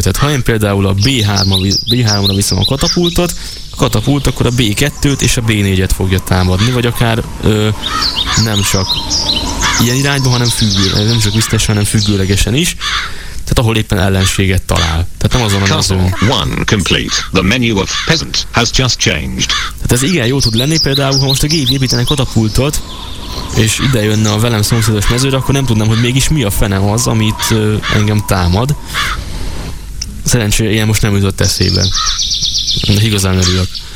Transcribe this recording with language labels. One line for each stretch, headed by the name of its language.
Hungarian: Tehát ha én például a B3-ra viszem a katapultot, katapult, akkor a B2-t és a B4-et fogja támadni, vagy akár nem csak ilyen irányban, hanem függőlegesen, nem csak biztosan, hanem függőlegesen is. Tehát ahol éppen ellenséget talál. Tehát nem azon a mezőn.
English: One complete. The menu of peasant has just changed.
Hungarian: Tehát ez igen jó tud lenni, például, ha most a gép építene katapultot, és ide jönne a velem szomszédos mezőre, akkor nem tudnám, hogy mégis mi a fene az, amit engem támad. Szerencsére ilyen most nem jutott eszébe. De igazán örülök.